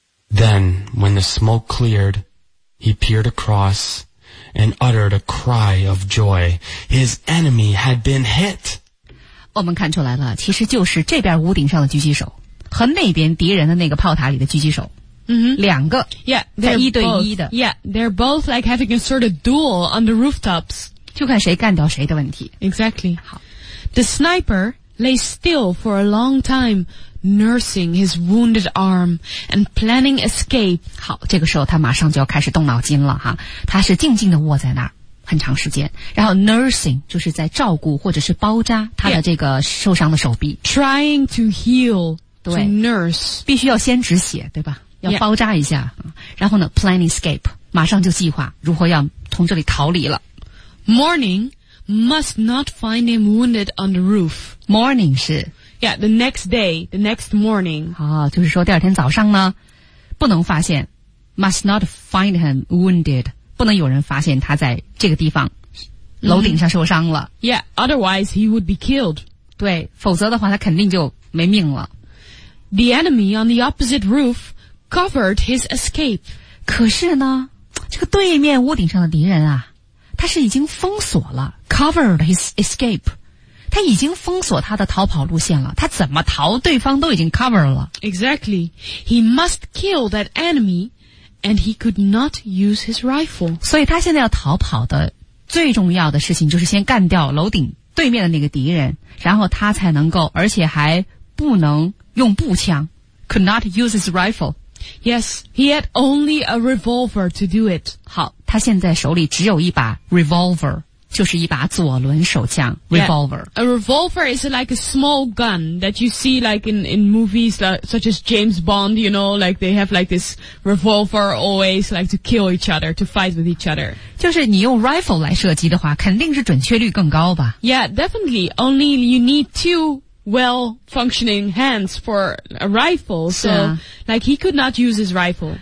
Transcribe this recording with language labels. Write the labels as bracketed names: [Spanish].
[English] Then, when the smoke cleared, he peered across and uttered a cry of joy. His enemy had been hit. [Chinese] 我们看出来了，其实就是这边屋顶上的狙击手和那边敌人的那个炮塔里的狙击手。 Mm-hmm. 两个。 [English] Yeah, [Chinese] 在一对一的。 [English] Yeah, they're both like having a sort of duel on the rooftops. [Chinese] 就看谁干掉谁的问题。 [English] Exactly. [Chinese] 好。 [English] The sniper lay still for a long time,nursing his wounded arm and planning escape. [Chinese] 好，这个时候他马上就要开始动脑筋了哈。他是静静地卧在那儿很长时间，然后 nursing 就是在照顾或者是包扎他的这个受伤的手臂。 [English] Yeah. Trying to heal, [Chinese] 对 [English] to nurse. [Chinese] 必须要先止血，对吧？要包扎一下。 [English] Yeah. [Chinese] 然后呢 [English] planning escape, [Chinese] 马上就计划如何要从这里逃离了。 [English] Morning must not find him wounded on the roof. [Chinese] Morning 是 [English] Yeah, the next day, the next morning. [Chinese] 好、就是说第二天早上呢不能发现 [English] must not find him wounded. [Chinese] 不能有人发现他在这个地方、mm-hmm. 楼顶上受伤了。 [English] Yeah, otherwise he would be killed. [Chinese] 对否则的话他肯定就没命了。 [English] The enemy on the opposite roof covered his escape. [Chinese] 可是呢这个对面屋顶上的敌人啊他是已经封锁了 [English] covered his escape. [Chinese] 他已经封锁他的逃跑路线了，他怎么逃，对方都已经 cover 了。 [English] Exactly. He must kill that enemy, and he could not use his rifle. [Chinese] 所以他现在要逃跑的最重要的事情就是先干掉楼顶对面的那个敌人，然后他才能够，而且还不能用步枪。 [English] Could not use his rifle. Yes, he had only a revolver to do it. [Chinese] 好，他现在手里只有一把 revolver. 就是一把左轮手枪 revolver. [English] Yeah, a revolver is like a small gun that you see like in movies such as James Bond, you know, like they have like this revolver always like to kill each other, to fight with each other. [Chinese] 就是你用 rifle 来射击的话肯定是准确率更高吧。 [English] Yeah, definitely. Only you need two well-functioning hands for a rifle, so, like, he could not use his rifle.